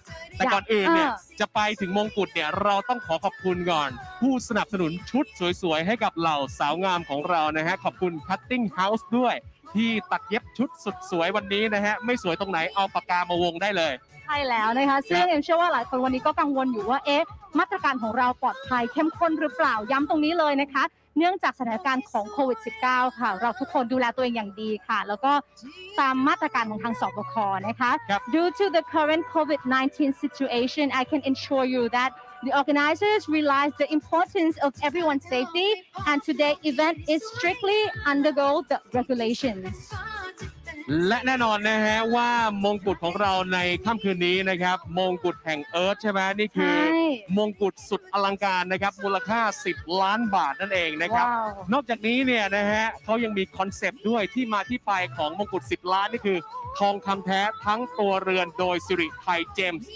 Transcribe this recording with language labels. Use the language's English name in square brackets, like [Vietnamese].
[Thai] แต่ก่อนอื่นเนี่ยจะไปถึงมงกุฎเนี่ยเราต้องขอขอบคุณก่อนผู้สนับสนุนชุดสวยๆให้กับเหล่าสาวงามของเรานะฮะขอบคุณ Cutting House ด้วยที่ตัดเย็บชุดสุดสวยวันนี้นะฮะไม่สวยตรงไหนเอาปากกามาวงได้เลย ใช่แล้วนะคะซึ่งเอ็มเชื่อว่าหลายคนวันนี้ก็กังวลอยู่ว่าเอ๊ะมาตรการของเราปลอดภัยเข้มข้นหรือเปล่าย้ำตรงนี้เลยนะคะเนื่องจากสถานการณ์ของโควิด-19 ค่ะเราทุกคนดูแลตัวเองอย่างดีค่ะแล้วก็ตามมาตรการของทางสบค. [English] นะคะ Due to the current COVID-19 situation I can assure you that the organizers realize the importance of everyone's safety and today event is strictly undergo the regulations [Thai] และแน่นอนนะฮะว่ามงกุฎของเราในค่ำคืนนี้นะครับมงกุฎแห่งเอิร์ธใช่ไหมนี่คือมงกุฎสุดอลังการนะครับมูลค่า10ล้านบาทนั่นเองนะครับนอกจากนี้เนี่ยนะฮะเขายังมีคอนเซปต์ด้วยที่มาที่ไปของมงกุฎ10ล้านนี่คือทองคำแท้ทั้งตัวเรือนโดยสิริไทยเจมส